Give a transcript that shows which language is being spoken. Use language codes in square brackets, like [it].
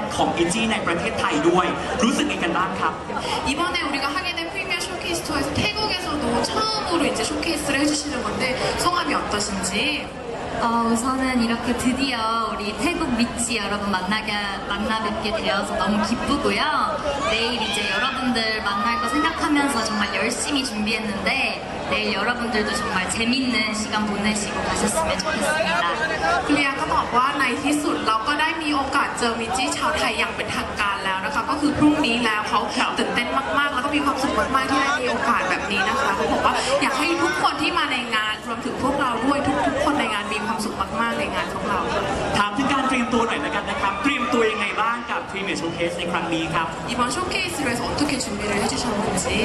[th] เขาบอกว่าก่อนอื่นเนี่ยเขาไม่ได้คาดหวังว่าความรักของทุกคนจะยิ่งใหญ่ขนาดนี้เขาอยากขอบคุณทุกคนมากๆเลยเขาสัญญาว่าเขาจะตั้งใจทำงานเพื่อจะตอบแทนในความรักของทุกคนอ่ะยิ่งใหญ่ขนาดไหนขอเสียงหนึ่งทีจ้ะอีโนเคมานี่ฮานากาชินเนะยิ่งใหญ่มากเลยนะครับต้องบอกว่าพรีเมียร์โชว์เคสทัวร์ครั้งนี้เนี่ยนะครับเป็นโชว์เคสครั้งแรกของอิจจี้ในประเทศไทยด้วยรู้สึกยังไงกันบ้างครับ [ko] 이번에 우리가 하게 된 프리미어 쇼케이스 투어에서 태국에서도 처음으로 이제 쇼케이스를 해주시는 건데 소감이 어떠신지? 우선은 이렇게 드디어 우리 태국 미치 여러분 만나뵙게 되어서 너무 기쁘고요. 내일 이제 여러분들 만날 거 생각하면서 정말 열심히 준비했는데 내일 여러분들도 정말 재밌는 시간 보내시고 가셨으면 좋겠습니다. [th] 클리앙가บอกว่าในที่สุดเราก็ได้มีโอกาสเจอมิจิชาวไทยอย่างเป็นทางการแล้วนะคะก็คือพรุ่งนี้แล้วเขาตื่นเต้น มากๆที่ได้มีโอกาสแบบนี้นะคะก็บอกว่าอยากให้ทุกคนที่มาในงานรวมถึงพวกเราด้วยทุกคนในงานมีความสุขมากๆในงานของเรา ถามถึงการเตรียมตัวหน่อยนะครับเตรียมตัวยังไงบ้างกับ Premier Showcase ในครั้งนี้ครับ [ko] 이번 쇼케이스에서 어떻게 준비를 해 주셨는지